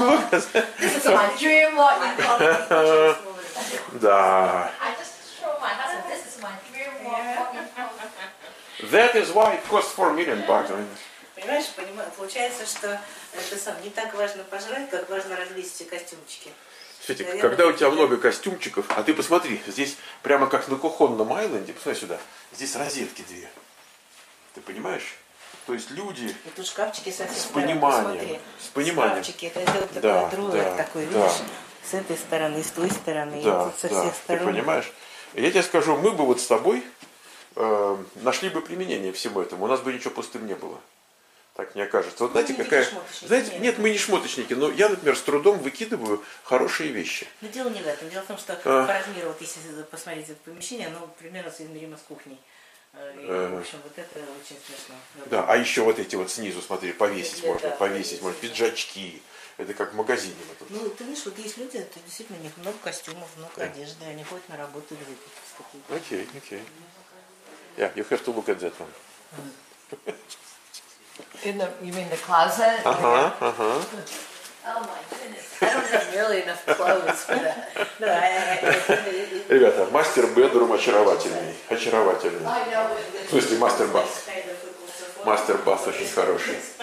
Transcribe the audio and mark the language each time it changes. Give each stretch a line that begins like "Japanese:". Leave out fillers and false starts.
English: This is my dream walk-in closet.
Russian: Да.
English: This is my dream walk-in closet. That is why it costs 4 million bucks.
Russian: Понимаешь, получается, что это сам не так важно пожрать, как важно развесить костюмчики. Светик, когда у тебя много костюмчиков, а ты посмотри, здесь прямо как на Кухонном Айленде, посмотри сюда, здесь розетки две. Ты понимаешь? То есть люди тут шкафчики с пониманием. Посмотри. С пониманием. Шкафчики, это вот да, такой троллер да, такой, да. Видишь? С этой стороны, с той стороны, да, и со да, всех сторон. Ты понимаешь? Я тебе скажу, мы бы вот с тобой нашли бы применение всему этому. У нас бы ничего пустым не было. Так мне кажется. Вот знаете, какая. Знаете, нет, мы не шмоточники, но я, например, с трудом выкидываю хорошие вещи. Но дело не в этом. Дело в том, что по размеру, вот если посмотреть это помещение, оно примерно соизмеримо с кухней. И, в общем, вот это очень смешно. Да, а еще вот эти вот снизу, смотри, повесить я, можно, да, повесить можно, пиджачки. Это как в магазине мы тут. Ну, ты видишь, вот есть люди, это действительно у них много костюмов, много одежды, они ходят на работу или выпить. Окей, окей.
English: Yeah, you have to look at that one. You mean the closet? Uh-huh. Oh my goodness. I don't have really enough clothes for that.
Russian: Ребята, мастер-бедрум очаровательный. Очаровательный. В смысле, мастер-бас. Мастер-бас очень хороший.